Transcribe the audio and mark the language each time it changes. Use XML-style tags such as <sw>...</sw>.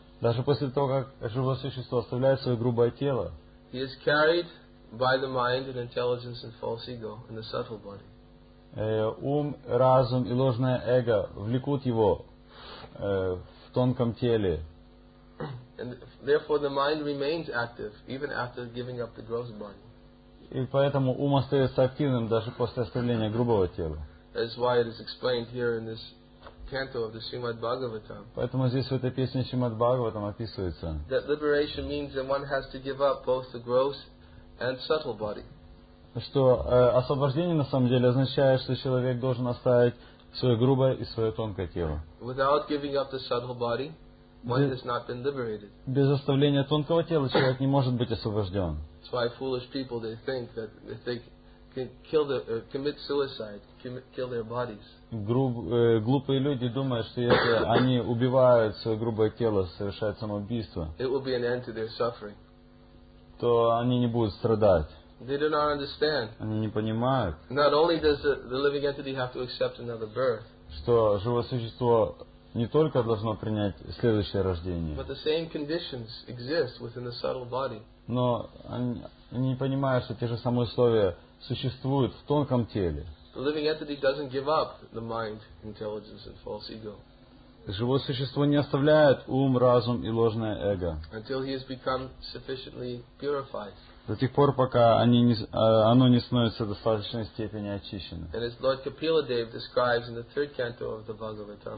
<ru>Даже после того, как живое существо оставляет свое грубое тело,</ru> <en>he is carried by the mind and intelligence and false ego in the subtle body.</en> <ru>Ум, разум и ложное эго влекут его в тонком теле.</ru> <en>And therefore the mind remains active even after giving up the gross body.</en> <ru>И поэтому ум остается активным даже после оставления грубого тела.</ru> <en>That is why it is explained here in this canto of the Srimad Bhagavatam.</en> <ru>Поэтому здесь в этой песне Шримад Бхагаватам описывается.</ru> <en>That liberation means that one has to give up both the gross and subtle body.</en> <ru>Что освобождение на самом деле означает, что человек должен оставить свое грубое и свое тонкое тело.</ru> <en>Without giving up the subtle body, one has not been liberated.</en> <ru>Без оставления тонкого тела человек не может быть освобожден.</ru> <en>That's why foolish people they think that they think can kill the commit suicide, kill their bodies.</en> <ru>Глупые люди думают, что если они убивают свое грубое тело, совершают самоубийство,</ru> <en>it will be an end to their suffering.</en> <ru>То они не будут страдать.</ru> <en>They do not understand.</en> <ru>Они не понимают.</ru> <en>Not only does the living entity have to accept another birth.</en> <ru>Что живое существо не только должно принять следующее рождение.</ru> <en>But the same conditions exist within the subtle body.</en> <ru>Но они не понимают, что те же самые условия существуют в тонком теле.</ru> <en>The living entity doesn't give up the mind, intelligence, and false ego.</en> <ru>Живое существо не оставляет ум, разум и ложное эго.</ru> <en>Until he has become sufficiently purified.</en> <ru>До тех пор, пока оно не становится в достаточной степени очищенным.</ru>